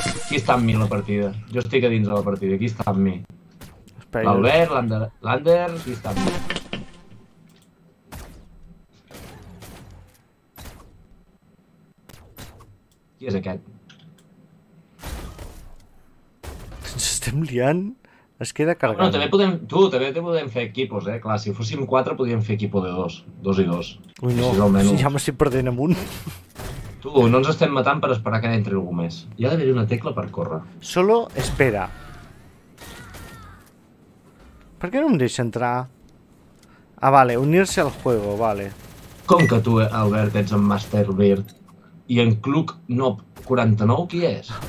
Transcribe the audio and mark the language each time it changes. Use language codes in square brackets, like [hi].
[ca] Qui està amb mi a la partida? Jo estic a dins de la partida, qui està amb mi? L'Albert, l'Ander, qui està amb mi? Qui és aquest? Ens estem liant. Es queda carregant. Bueno, també podem... Tu, també podem fer equipos, eh? Clar, si fóssim 4, podríem fer equipo de 2. 2 i 2. Ui, no. Ja m'estic perdent amb un. Tu, no ens estem matant per esperar que entri algú més. Hi ha d'haver una tecla per córrer. [es] Solo espera. [ca] Per què no em deixa entrar? Ah, vale, unir-se al juego, vale. Com que tu, Albert, ets en Master Beard? I en Clugnob 49, qui és?